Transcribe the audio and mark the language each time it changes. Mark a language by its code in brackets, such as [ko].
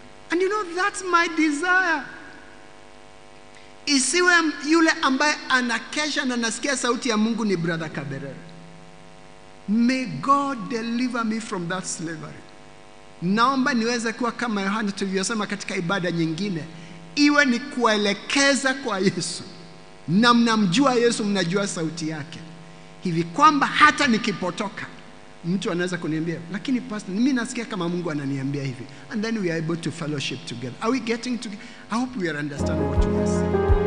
[en] And you know, that's my desire. [sw] Isiwe yule ambaye anakesha na nasikia sauti ya Mungu ni Brother Kaberere. [en] May God deliver me from that slavery. [sw] Naomba niweze kuwa kama Yohana tulivyosema katika ibada nyingine. Iwe ni kuelekeza kwa Yesu. Na mnamjua Yesu, mnajua sauti yake. Hivi kwamba hata nikipotoka, mtu anaweza kuniambia, lakini pastor, mimi nasikia kama Mungu ananiambia hivi. [en] And then we are able to fellowship together. Are we getting together? I hope we are understanding what we are saying.